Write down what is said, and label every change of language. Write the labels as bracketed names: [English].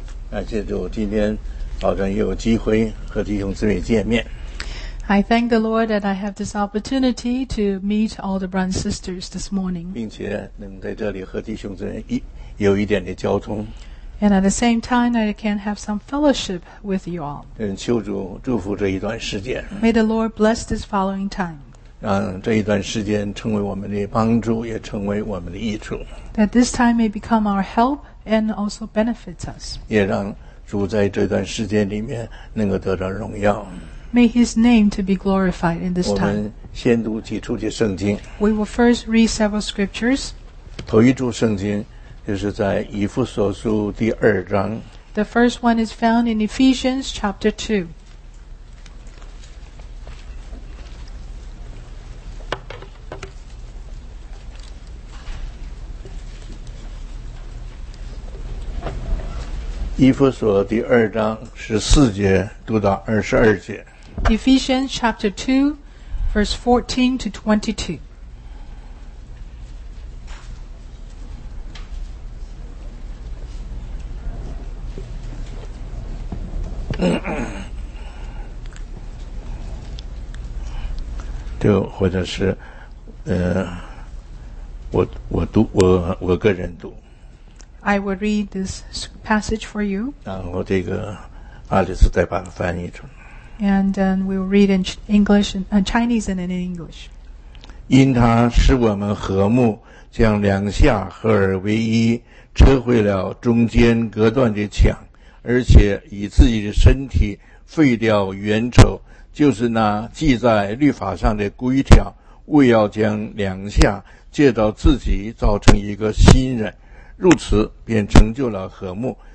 [Chinese] 感谢主，今天早晨有机会和弟兄姊妹见面。 [English] I thank the Lord that I have this opportunity to meet all the Brown sisters this morning. [Chinese] 并且能在这里和弟兄姊妹有一点的交通。 [English] And at the same time, I can have some fellowship with you all. [Chinese] 求主祝福这一段时间。 [English] May the Lord bless this following time. [Chinese] 让这一段时间成为我们的帮助，也成为我们的益处。 [English] That this time may become our help and also benefit us. [Chinese] 也让主在这段时间里面能够得到荣耀。 [English] May his name to be glorified in this time. [Chinese] 我们先读几处的圣经。 [English] We will first read several scriptures. [Chinese] 头一处圣经就是在以弗所书第二章。 [English] The first one is found in Ephesians chapter 2. [Chinese] 以弗所第二章十四节读到二十二节。 [English] Ephesians chapter 2, verse 14 to 22. [Chinese] 就或者是，我个人读。 [English] I will read this passage for you. [Chinese] 然后这个阿里斯再把它翻译出来。 [English] And then we'll read in English and Chinese and in English. [Chinese] 因他使我们和睦，将两下合而为一，拆毁了中间隔断的墙，而且以自己的身体废掉原丑，就是那记在律法上的规条，为要将两下借到自己造成一个新人，如此便成就了和睦。